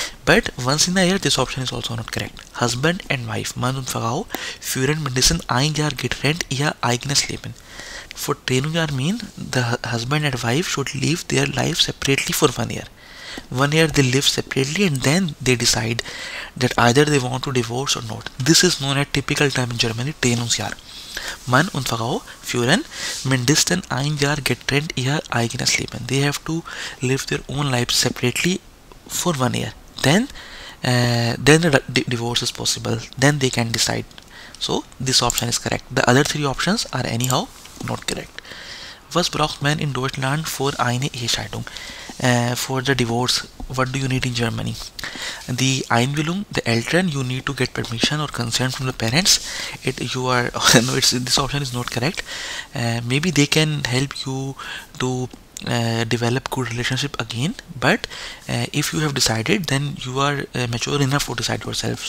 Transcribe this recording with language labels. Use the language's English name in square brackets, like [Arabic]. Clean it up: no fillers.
[English] But once in a year, this option is also not correct. Husband and wife, [German] Mann und Frau, führen mindestens ein Jahr getrennt ihr eigenes Leben. [English] For Trennungsjahr mean the husband and wife should live their life separately for 1 year. 1 year they live separately and then they decide that either they want to divorce or not. This is known as typical term in Germany, Trennungsjahr. [German] Mann und Frau führen mindestens ein Jahr getrennt ihr eigenes Leben. [English] They have to live their own life separately for 1 year. Then the divorce is possible. Then they can decide. So this option is correct. The other three options are anyhow not correct. [German] Was braucht man in Deutschland für eine Ehescheidung? [English] For the divorce, what do you need in Germany? The Einwilligung, the Eltern, you need to get permission or consent from the parents. This option is not correct. Maybe they can help you to develop good relationship again, but if you have decided, then you are mature enough to decide yourself.